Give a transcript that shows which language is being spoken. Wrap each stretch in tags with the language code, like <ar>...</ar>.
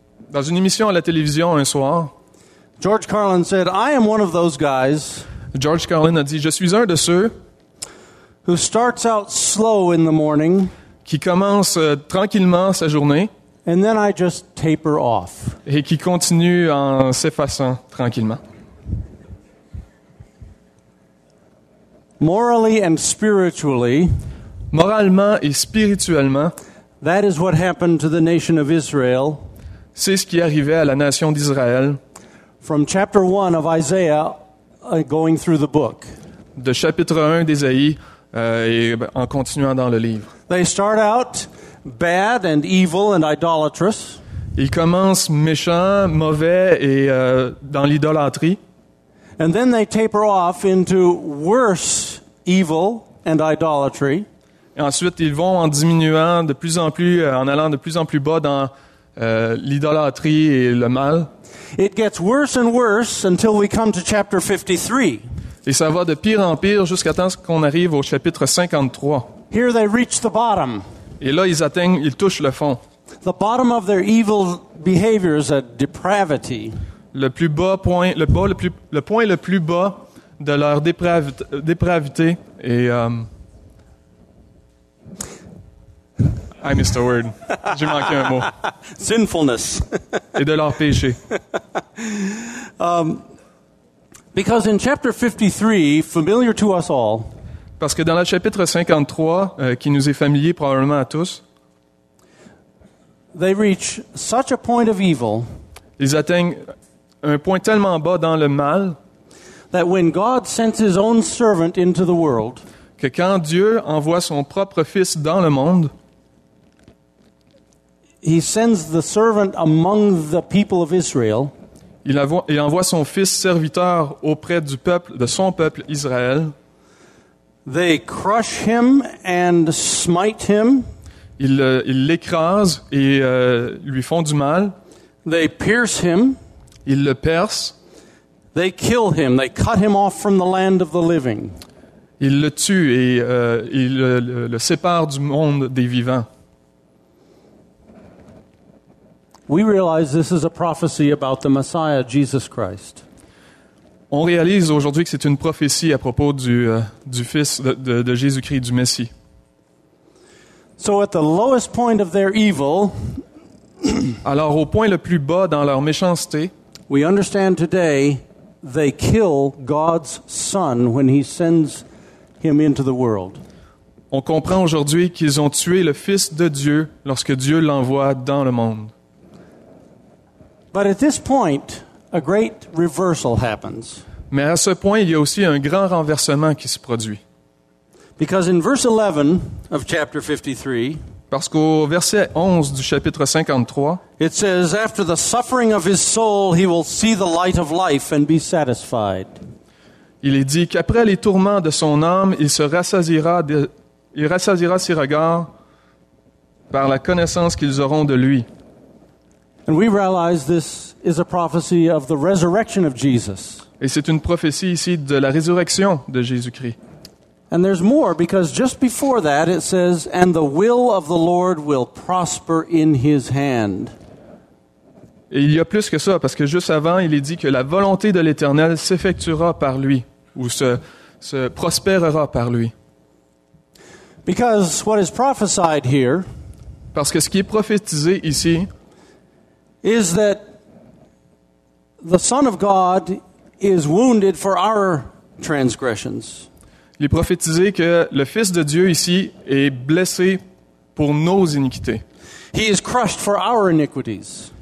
<fr>Dans une émission à la télévision un soir.</fr> <en>George Carlin said, "I am one of those guys."</en> <fr>George Carlin a dit, "Je suis un de ceux."</fr> <en>Who starts out slow in the morning.</en> <fr>Qui commence tranquillement sa journée.</fr> <en>And then I just taper off.</en> <fr>Et qui continue en s'effaçant tranquillement.</fr> <en>Morally and spiritually,</en> <fr>moralement et spirituellement,</fr> <en>that is what happened to the nation of Israel.</en> <fr>C'est ce qui arrivait à la nation d'Israël.</fr> <en>From chapter 1 of Isaiah, going through the book.</en> <fr>De chapitre 1 d'Ésaïe et en continuant dans le livre.</fr> <en>They start out bad and evil and idolatrous.</en> <fr>Ils commencent méchants, mauvais et dans l'idolâtrie.</fr> <en>And then they taper off into worse evil and idolatry.</en> <fr>Et ensuite, ils vont en diminuant de plus en plus, en allant de plus en plus bas dans l'idolâtrie et le mal.</fr> <en>It gets worse and worse until we come to chapter 53.</en> <fr>Et ça va de pire en pire jusqu'à temps qu'on arrive au chapitre 53.</fr> <en>Here they reach the bottom.</en> <fr>Et là, ils touchent le fond.</fr> <en>The bottom of their evil behavior is a depravity.</en> <fr>Le point le plus bas de leur dépravité est...</fr> <en>I missed a word.</en> <fr>J'ai manqué un mot.</fr> <en>Sinfulness.</en> <fr>Et de leur péché.</fr> <en>Because in chapter 53, familiar to us all...</en> <fr>Parce que dans le chapitre 53, qui nous est familier probablement à tous...</fr> <en>They reach such a point of evil...</en> <fr>Ils atteignent... un point tellement bas dans le mal</fr> <en>that when God sends his own servant into the world,</en> <fr>que quand Dieu envoie son propre fils dans le monde,</fr> <en>he sends the servant among the people of Israel,</en> <fr>Il envoie son fils serviteur auprès du peuple, de son peuple Israël.</fr> <en>They crush him and smite him.</en> <fr>Ils l'écrasent et lui font du mal.</fr> <en>They pierce him.</en> <fr>Ils le percent.</fr> <en>They kill him. They cut him off from the land of the living.</en> <fr>Ils le tuent et ils le séparent du monde des vivants.</fr> <en>We realize this is a prophecy about the Messiah, Jesus Christ.</en> <fr>On réalise aujourd'hui que c'est une prophétie à propos du Fils de Jésus-Christ, du Messie.</fr> <en>So at the lowest point of their evil,</en> <fr>alors au point le plus bas dans leur méchanceté,</fr> <en>we understand today they kill God's Son when He sends Him into the world.</en> <fr>On comprend aujourd'hui qu'ils ont tué le Fils de Dieu lorsque Dieu l'envoie dans le monde.</fr> <en>But at this point, a great reversal happens.</en> <fr>Mais à ce point, il y a aussi un grand renversement qui se produit.</fr> <en>Because in verse 11 of chapter 53,</en> <fr>parce qu'au verset 11 du chapitre 53,</fr> <en>it says, after the suffering of his soul, he will see the light of life and be satisfied.</en> <fr>Il est dit qu'après les tourments de son âme, il rassasiera ses regards par la connaissance qu'ils auront de lui.</fr> <en>And we realize this is a prophecy of the resurrection of Jesus.</en> <fr>Et c'est une prophétie ici de la résurrection de Jésus-Christ.</fr> <en>And there's more, because just before that it says, and the will of the Lord will prosper in his hand.</en> <fr>Et il y a plus que ça, parce que juste avant, il est dit que la volonté de l'Éternel s'effectuera par lui, ou se prospérera par lui.</fr> <en>Because what is prophesied here,</en> <fr>parce que ce qui est prophétisé ici,</fr> <en>is that the Son of God is wounded for our transgressions.</en> <fr>Il est prophétisé que le Fils de Dieu ici est blessé pour nos iniquités.</fr> <en>He is crushed for our iniquities.</en>